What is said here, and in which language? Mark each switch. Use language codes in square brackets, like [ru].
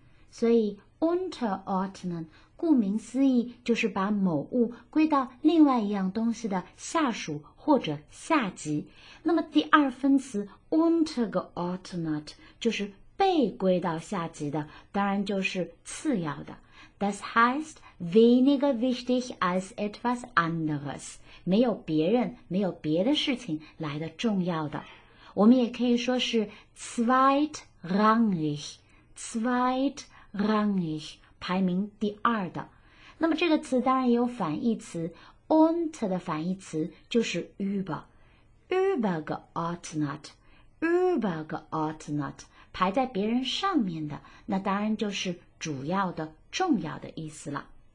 [zh] 所以 unterordnen 顾名思义就是把某物归到另外一样东西的下属或者下级。那么第二分词 untergeordnet 就是被归到下级的，当然就是次要的。 [de] Das heißt, weniger wichtig als etwas anderes. [zh] 没有别人，没有别的事情来得重要的。我们也可以说是 zweitrangig, zweitrangig, 排名第二的。那么这个词当然也有反义词， unter 的反义词就是 über, übergeordnet, übergeordnet, 排在别人上面的，那当然就是主要的重要的意思了。